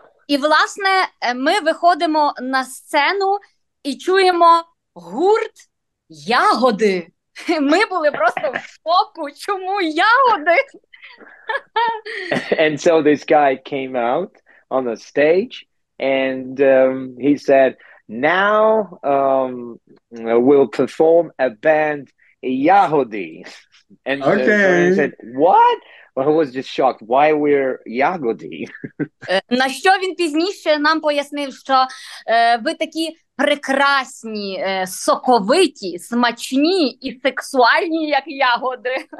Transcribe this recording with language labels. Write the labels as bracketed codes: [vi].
[uk] І, власне, ми виходимо на сцену і чуємо гурт «Ягоди». Ми були просто в шоку, чому ягоди? [en] And so this guy came out on the stage and he said, now we'll perform a band Ягоди. And okay. He said, what? Well, I was just shocked, why we're Ягоди? [uk] На що він пізніше нам пояснив, що ви такі прекрасні, соковиті, смачні і сексуальні, як ягоди.